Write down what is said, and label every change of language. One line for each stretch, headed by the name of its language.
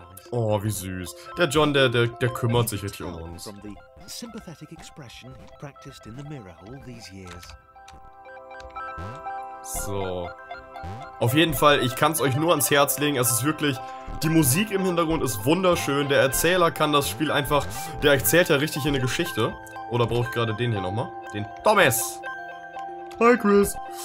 German: Oh, wie süß. Der John, der kümmert sich richtig um uns.
English: Sympathetic expression practiced in the mirror all these years.
German: So. Auf jeden Fall, ich kann es euch nur ans Herz legen. Es ist wirklich, die Musik im Hintergrund ist wunderschön. Der Erzähler kann das Spiel einfach, der erzählt ja richtig hier eine Geschichte. Oder brauche ich gerade den hier nochmal? Den Thomas. Hi Chris.